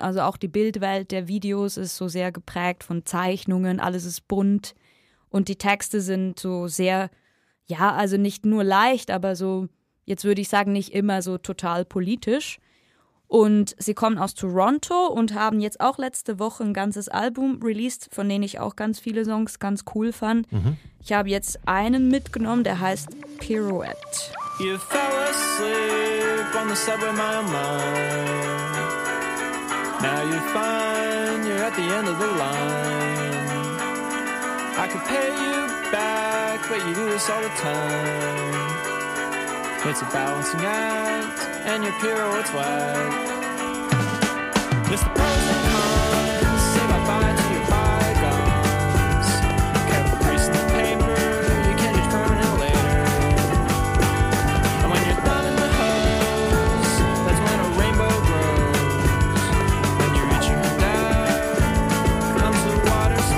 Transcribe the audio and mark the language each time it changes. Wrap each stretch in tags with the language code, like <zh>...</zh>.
<de>Also auch die Bildwelt der Videos ist so sehr geprägt von Zeichnungen, alles ist bunt und die Texte sind so sehr, ja, also nicht nur leicht, aber so, jetzt würde ich sagen, nicht immer so total politisch. Und sie kommen aus Toronto und haben jetzt auch letzte Woche ein ganzes Album released, von denen ich auch ganz viele Songs ganz cool fand. Mhm. Ich habe jetzt einen mitgenommen, der heißt Pirouette.</de> <en>You fell asleep on the subway, my mind. Now you're fine, you're at the end of the line. I could pay you back, but you do this all the time. It's a balancing act, and your pirouette's whack. It's the pros and cons, say bye-bye to your bygones. You can't erase the paper, you can't just burn it later. And when you're done in the hose, that's when a rainbow grows. When you're reaching for that, comes the water</en>